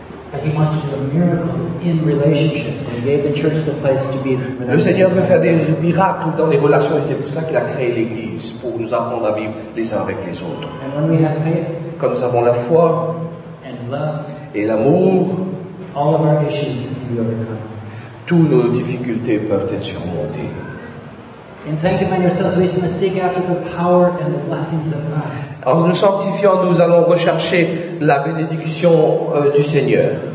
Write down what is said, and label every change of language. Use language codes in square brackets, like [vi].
[en] But he wants to do a miracle in relationships, and gave the church the place to be. [fr] Le Seigneur veut faire des miracles dans les relations, et c'est pour cela qu'il a créé l'Église, pour nous apprendre à vivre les uns avec les autres. [en] And when we have faith, [fr] quand nous avons la foi [en] and love, [fr] et l'amour, [en] all of our issues can be overcome. [fr] Tous nos difficultés peuvent être surmontées. [en] In sanctifying ourselves, we must seek after the power and the blessings of God. [fr] En nous sanctifiant, nous allons rechercher la bénédiction du Seigneur.